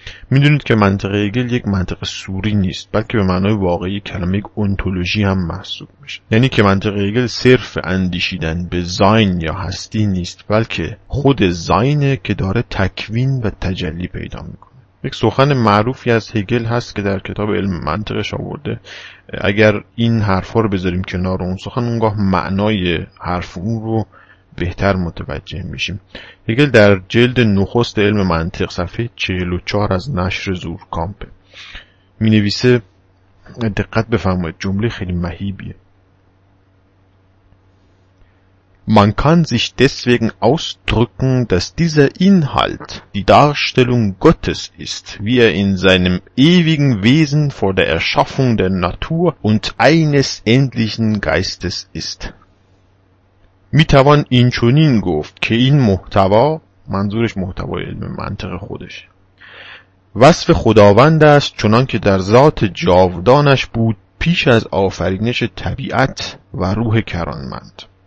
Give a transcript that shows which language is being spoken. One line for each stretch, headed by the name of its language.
Persian: میدونید که منطق هگل یک منطق سوری نیست بلکه به معنای واقعی کلمه یک اونتولوژی هم محسوب میشه، یعنی که منطق هگل صرف اندیشیدن به زاین یا هستی نیست بلکه خود زاینه که داره تکوین و تجلی پیدا میکنه. یک سخن معروفی از هگل هست که در کتاب علم منطقش آورده، اگر این حرفا رو بذاریم کنار اون سخن اونگاه معنای حرف اون رو بهتر متوجه میشیم. هگل در جلد نخست علم منطق صفحه 44 از نشر زورکامپ می نویسه، دقت بفرمایید، جمله خیلی مهیبیه:
German: Man kann sich deswegen ausdrücken, dass dieser Inhalt die Darstellung Gottes ist, wie er in seinem ewigen Wesen vor der Erschaffung der Natur und eines endlichen Geistes ist.
Persian: میتوان این چنین گفت که این محتوا، منظورش محتوای علم منطق خودش، وصف خداوند است چنان که در ذات جاودانش بود پیش از آفرینش طبیعت و روح کرانمند.